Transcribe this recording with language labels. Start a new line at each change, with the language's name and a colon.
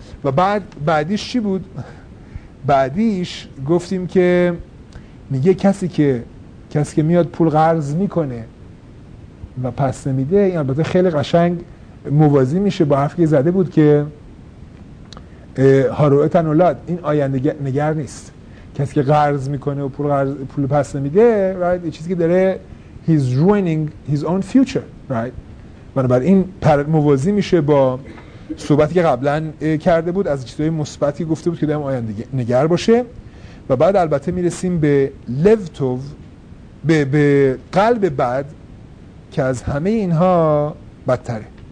Persian: و بعد بعدیش چی بود؟ بعدیش گفتیم که میگه کسی که میاد پول قرض میکنه و پس نمیده، این البته خیلی قشنگ موازی میشه با حرفی که زده بود که هارویتن اولاد، این آینده نگر نیست. کسی که قرض میکنه و پول پس نمیده،
English: right.
Persian: چیزی که داره
English: he's ruining his own future. right.
Persian: بنابراین موازی میشه با صحبتی که قبلا کرده بود، از چیزهای مثبتی گفته بود که دارم آینده نگر باشه. و بعد البته میرسیم به لفتوف، به قلب بد که از همه اینها بدتره.